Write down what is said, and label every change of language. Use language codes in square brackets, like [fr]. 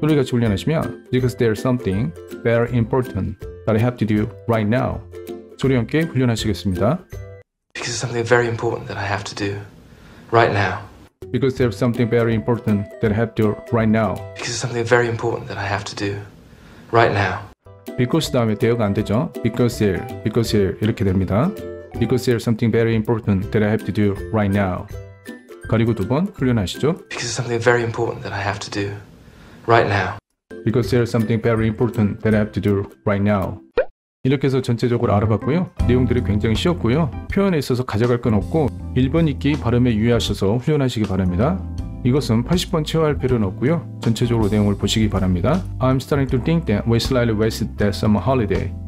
[ko] 우리 같이 훈련하시면 [en] because there's something very important that I have to do right now. [ko] 소리 함께 훈련하시겠습니다. [en] Because there's something very important that I have to do right now. Because there's something very important that I have to do right now. Because there's something very important that I have to do right now. [ko] Because 다음에 대어가 안 되죠? [en] Because here [ko] 이렇게 됩니다. [en] Because there's something very important that I have to do right now. [ko] 그리고 두 번 훈련하시죠. [en] Because there's something very important that I have to do right now. Because there's something very important that I have to do right now. [ko] 이렇게 해서 전체적으로 알아봤고요. 내용들이 굉장히 쉬웠고요. 표현에 있어서 가져갈 건 없고 1번 읽기 발음에 유의하셔서 훈련하시기 바랍니다. 이것은 80번 채워할 필요는 없고요. 전체적으로 내용을 보시기 바랍니다. [en] I'm starting to think that we slightly wasted that summer holiday.